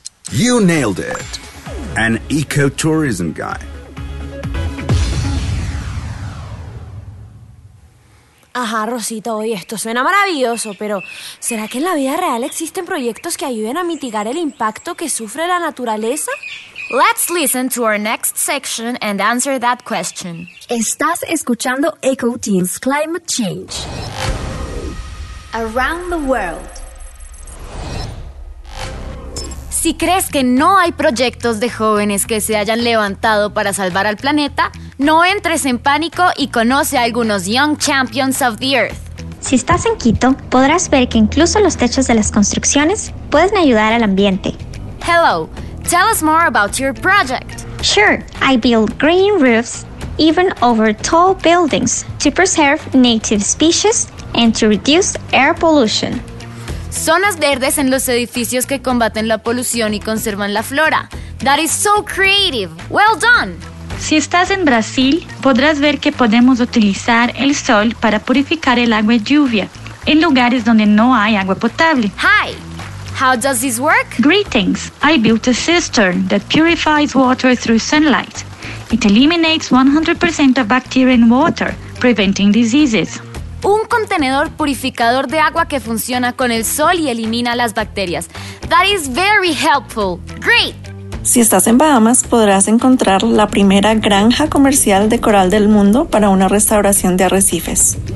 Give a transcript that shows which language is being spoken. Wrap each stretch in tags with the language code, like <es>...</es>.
<en>You nailed it. An ecotourism guy.</en> <es>Ajá, Rosita, oye, esto suena maravilloso, pero ¿será que en la vida real existen proyectos que ayuden a mitigar el impacto que sufre la naturaleza?</es> <en>Let's listen to our next section and answer that question.</en> <es>Estás escuchando Eco Teams Climate Change.</es> <en>Around the world.</en> <es>Si crees que no hay proyectos de jóvenes que se hayan levantado para salvar al planeta, no entres en pánico y conoce a algunos Young Champions of the Earth. Si estás en Quito, podrás ver que incluso los techos de las construcciones pueden ayudar al ambiente.</es> <en>Hello, tell us more about your project. Sure, I build green roofs even over tall buildings to preserve native species and to reduce air pollution.</en> <es>Zonas verdes en los edificios que combaten la polución y conservan la flora.</es> <en>That is so creative. Well done.</en> <es>Si estás en Brasil, podrás ver que podemos utilizar el sol para purificar el agua de lluvia en lugares donde no hay agua potable.</es> <en>Hi. How does this work? Greetings. I built a cistern that purifies water through sunlight. It eliminates 100% of bacteria in water, preventing diseases.</en> <es>Un contenedor purificador de agua que funciona con el sol y elimina las bacterias.</es> <en>That is very helpful. Great.</en> <es>Si estás en Bahamas, podrás encontrar la primera granja comercial de coral del mundo para una restauración de arrecifes.</es>